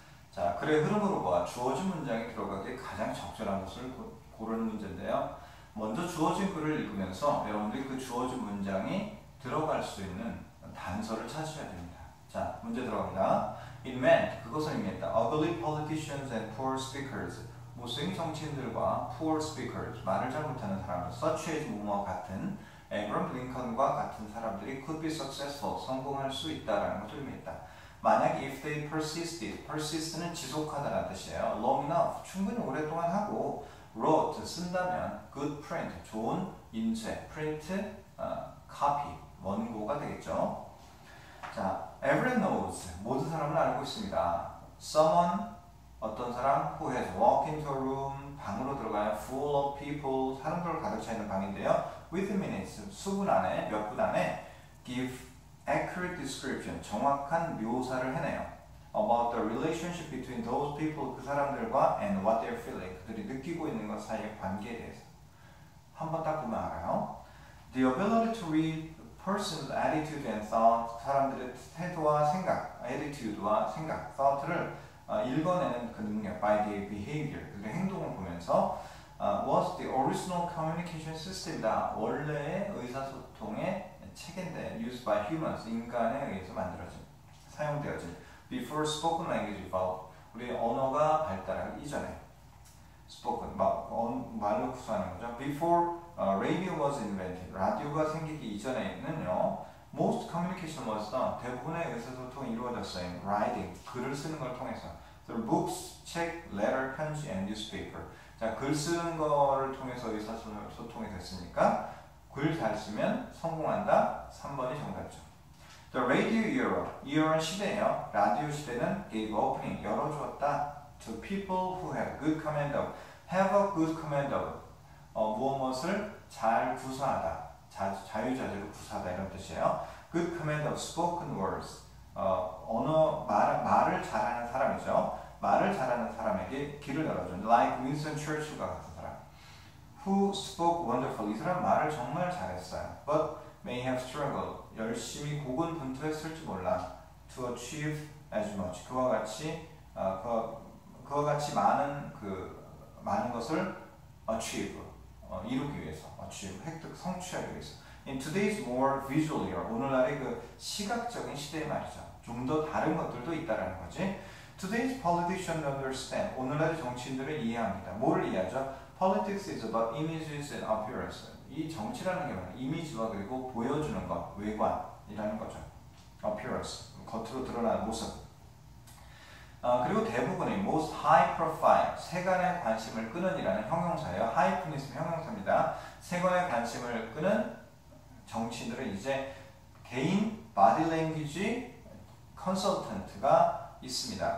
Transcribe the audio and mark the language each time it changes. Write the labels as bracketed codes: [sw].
[ko] 자, 글의 흐름으로 봐 주어진 문장이 들어가기에 가장 적절한 것을 고르는 문제인데요. 먼저 주어진 글을 읽으면서 여러분들이 그 주어진 문장이 들어갈 수 있는 단서를 찾으셔야 됩니다. 자, 문제 들어갑니다. [en] It meant, [ko] 그것을 의미했다. [en] Ugly politicians and poor speakers. [ko] 못생긴 정치인들과 [en] poor speakers, [ko] 말을 잘 못하는 사람들, [en] such as [ko] 뭐뭐와 같은 앵그럼 블링컨과 같은 사람들이 [en] could be successful, [ko] 성공할 수 있다라는 것을 의미했다. 만약 [en] if they persisted, [ko] persist는 지속하다라는 뜻이에요. [en] long enough, [ko] 충분히 오랫동안 하고 wrote, 쓴다면 [en] good print, [ko] 좋은 인쇄, print, copy, 원고가 되겠죠. 자, [en] everyone knows, [ko] 모든 사람을 알고 있습니다. [en] someone, [ko] 어떤 사람, [en] who has walked into a room, [ko] 방으로 들어가요. [en] full of people, [ko] 사람들 가득 차 있는 방인데요. [en] with minutes, [ko] 수분 안에, 몇 분 안에 [en] give accurate description, [ko] 정확한 묘사를 해내요. [en] about the relationship between those people, [ko] 그 사람들과 [en] and what they're feeling, [ko] 그들이 느끼고 있는 것 사이의 관계에 대해서. 한번 딱 보면 알아요. [en] the ability to read person's attitude and thought, [ko] 사람들의 태도와 생각, [en] attitude와 생각, thought를 [ko] 읽어내는 그 능력, [en] by their behavior, [ko] 그들의 행동을 보면서 [en] was the original communication system이다. [ko] 원래의 의사소통의 체계인데 [en] used by humans, [ko] 인간에 의해서 만들어진, 사용되어진 [en] before spoken language evolved, [ko] 우리 언어가 발달하기 이전에 spoken, 말로 구사하는 거죠. [en] before radio was invented, [ko] 라디오가 생기기 이전에는요 [en] most communication was done, [ko] 대부분의 의사소통이 이루어졌어요. writing, 글을 쓰는 걸 통해서 [en] through books, [ko] 책, letter, 편지, [en] and newspaper. [ko] 자, 글 쓰는 거를 통해서 의사소통이 됐으니까 글 잘 쓰면 성공한다. 3번이 정답이죠. [en] The radio era, 이 era 시대예요. [ko] 라디오 시대는 [en] gave opening, [ko] 열어주었다. [en] To people who have good command of, have a good command of. [ko] 무엇을 잘 구사하다. 자유자재로 구사하다. 이런 뜻이에요. [en] Good command of spoken words. [ko] 말을 잘하는 사람이죠. 말을 잘하는 사람에게 길을 열어준, like Winston Churchill과 같은 사람. [en] Who spoke wonderfully. [ko] 이 사람 말을 정말 잘했어요. [en] But may have struggled. [ko] 열심히 고군분투했을지 몰라. [en] To achieve as much. [ko] 그와 같이 많은 것을 achieve. 이루기 위해서. achieve. 획득, 성취하기 위해서. [en] In today's more visual era. [ko] 오늘날의 그 시각적인 시대의 말이죠. 좀 더 다른 것들도 있다라는 거지. [en] Today's politicians understand. [ko] 오늘날의 정치인들은 이해합니다. 뭐를 이해하죠? [en] Politics is about images and appearance. [ko] 이 정치라는 게 뭐예요? 이미지와 그리고 보여주는 것, 외관이라는 거죠. Appearance, 겉으로 드러나는 모습. 그리고 대부분의 [en] most high profile, [ko] 세간의 관심을 끄는 이라는 형용사예요. 하이프니즘 형용사입니다. 세간의 관심을 끄는 정치인들은 이제 개인 body language 컨설턴트가 있습니다.